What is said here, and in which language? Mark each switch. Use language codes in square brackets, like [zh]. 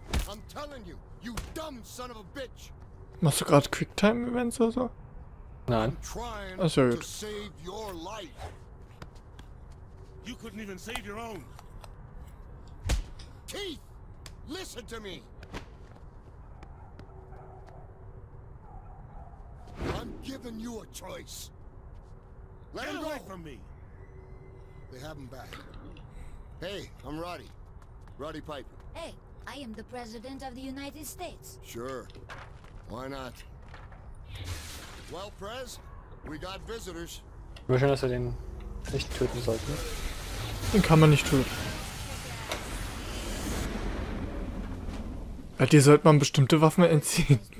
[en] I'm telling you, you dumb son of a bitch. [de] Machst du gerade Quicktime-Events oder so? Nein. Ach so, gut. [en] Save your life. You couldn't even save your own. Keith, listen to me. I'm giving you a choice. Let him go from me. They have him back. Hey, I'm Roddy. Roddy Piper. Hey, I am the President of the United States. Sure. Why not? Well, Prez, we got visitors. [de] Ich wünsche, dass wir den nicht töten sollten. Den kann man nicht töten. Ja, dir sollte man bestimmte Waffen entziehen.